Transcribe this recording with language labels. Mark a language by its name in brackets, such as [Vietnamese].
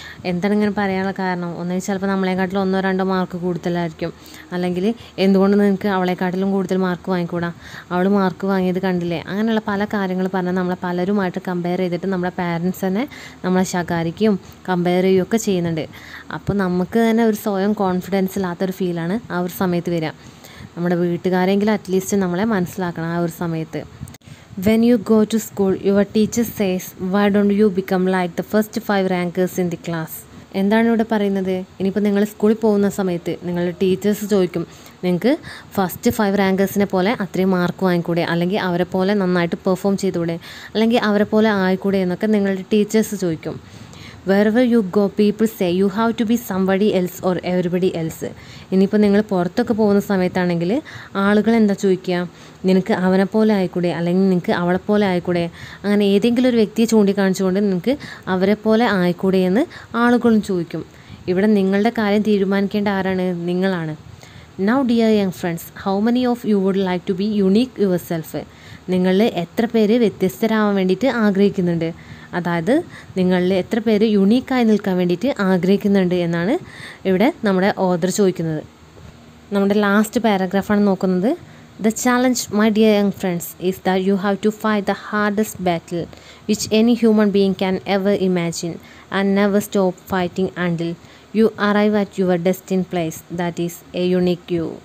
[Malayalam] എന്താണ് ഇങ്ങനെ പറയാനുള്ള കാരണം? ഒന്നെങ്കിൽ ചിലപ്പോൾ നമ്മളെക്കാട്ടിലും ഒന്നോ രണ്ടോ മാർക്ക് കൂടുതലായിരിക്കും, അല്ലെങ്കിൽ എന്തുകൊണ്ട് നിനക്ക് അവളെക്കാട്ടിലും കൂടുതൽ മാർക്ക് വാങ്ങിക്കൂടാ, അവൾ മാർക്ക് വാങ്ങിയത് കണ്ടില്ലേ, അങ്ങനെയുള്ള പല കാര്യങ്ങൾ പറഞ്ഞാൽ നമ്മളെ പലരുമായിട്ട് കമ്പയർ ചെയ്തിട്ട് നമ്മളെ പാരൻസ് തന്നെ നമ്മളെ ശകാരിക്കുകയും കമ്പയർ ചെയ്യുകയൊക്കെ ചെയ്യുന്നുണ്ട്. അപ്പോൾ നമുക്ക് തന്നെ ഒരു സ്വയം കോൺഫിഡൻസ് ഇല്ലാത്തൊരു ഫീലാണ് ആ ഒരു സമയത്ത് വരിക. നമ്മുടെ വീട്ടുകാരെങ്കിലും അറ്റ്ലീസ്റ്റ് നമ്മളെ മനസ്സിലാക്കണം ആ ഒരു സമയത്ത്. [English] When you go to school, your teacher says, why don't you become like the first 5 rankers in the class? [Malayalam] എന്താണ് ഇവിടെ പറയുന്നത്? ഇനിയിപ്പോൾ നിങ്ങൾ സ്കൂളിൽ പോകുന്ന സമയത്ത് നിങ്ങളുടെ ടീച്ചേഴ്സ് ചോദിക്കും, നിങ്ങൾക്ക് ഫസ്റ്റ് 5 റാങ്കേഴ്സിനെ പോലെ അത്രയും മാർക്ക് വാങ്ങിക്കൂടെ, അല്ലെങ്കിൽ അവരെ പോലെ നന്നായിട്ട് പെർഫോം ചെയ്തുകൂടെ, അല്ലെങ്കിൽ അവരെ പോലെ ആയിക്കൂടെ എന്നൊക്കെ നിങ്ങളുടെ ടീച്ചേഴ്സ് ചോദിക്കും. [English] Wherever you go, people say you have to be somebody else or everybody else. [Malayalam] ഇനിയിപ്പോൾ നിങ്ങൾ പുറത്തൊക്കെ പോകുന്ന സമയത്താണെങ്കിൽ ആളുകൾ എന്താ ചോദിക്കുക? നിനക്ക് അവനെ പോലെ ആയിക്കൂടെ, അല്ലെങ്കിൽ നിനക്ക് അവളെ പോലെ ആയിക്കൂടെ, അങ്ങനെ ഏതെങ്കിലും ഒരു വ്യക്തിയെ ചൂണ്ടിക്കാണിച്ചുകൊണ്ട് നിനക്ക് അവരെ പോലെ ആയിക്കൂടെ എന്ന് ആളുകളും ചോദിക്കും. ഇവിടെ നിങ്ങളുടെ കാര്യം തീരുമാനിക്കേണ്ട ആരാണ്? നിങ്ങളാണ്. [English] Now dear young friends, how many of you would like to be unique yourself? [Malayalam] നിങ്ങളിൽ എത്ര പേര് വ്യത്യസ്തരാവാൻ വേണ്ടിയിട്ട് ആഗ്രഹിക്കുന്നുണ്ട്, അതായത് നിങ്ങളിൽ എത്ര പേര് യുണീക്കായി നിൽക്കാൻ വേണ്ടിയിട്ട് ആഗ്രഹിക്കുന്നുണ്ട് എന്നാണ് ഇവിടെ നമ്മുടെ ഓർഡർ ചോദിക്കുന്നത്. നമ്മുടെ ലാസ്റ്റ് പാരഗ്രാഫാണ് നോക്കുന്നത്. [English] The challenge my dear young friends is the you have to fight the hardest battle which any human being can ever imagine and never stop fighting until you arrive at your destined place that is a unique you.